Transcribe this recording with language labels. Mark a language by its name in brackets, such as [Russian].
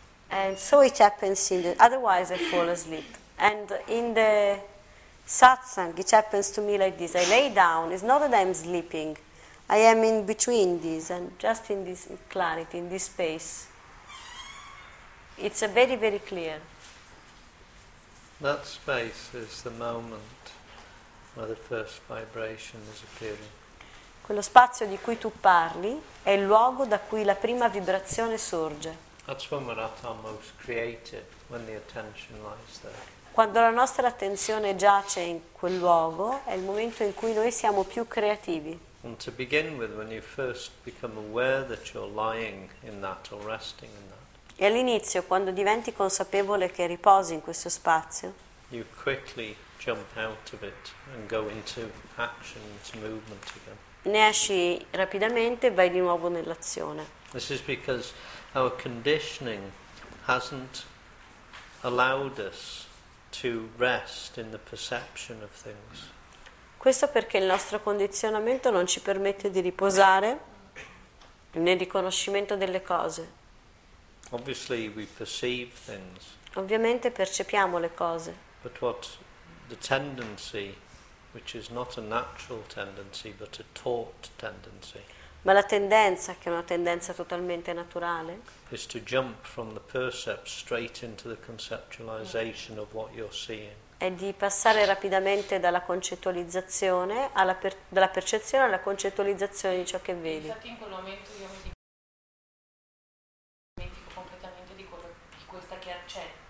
[English] And so it happens in the, otherwise I fall asleep. And in the satsang, it happens to me like this. I lay down, it's not that I'm sleeping. I am in between this, and just in this clarity, in this space. It's a very, very clear. That space is the moment where the first vibration is appearing. [Italian] Quello spazio di cui tu parli è il luogo da cui la prima vibrazione sorge. [English] That's when we're at our most creative, when the attention lies there. [Italian] Quando la nostra attenzione giace in quel luogo, è il momento in cui noi siamo più creativi. [English] And to begin with, when you first become aware that you're lying in that or resting in that. [Italian] E all'inizio, quando diventi consapevole che riposi in questo spazio, [English] you quickly jump out of it and go into action, into movement again. [Italian] Ne esci rapidamente e vai di nuovo nell'azione. [English] This is because our conditioning hasn't allowed us to rest in the perception of things. [Italian] Questo perché il nostro condizionamento non ci permette di riposare nel riconoscimento delle cose. [English] Obviously we perceive things. [Italian] Ovviamente percepiamo le cose. [English] But what the tendency, which is not a natural tendency but a taught tendency. [Italian] Ma la tendenza, che è una tendenza totalmente naturale, [English] is to jump from the percept straight into the conceptualization of what you're seeing. [Italian] È di passare rapidamente dalla concettualizzazione alla dalla percezione alla concettualizzazione di ciò che vedi. Infatti in quel momento io mi dimentico completamente di quello, di questa che c'è.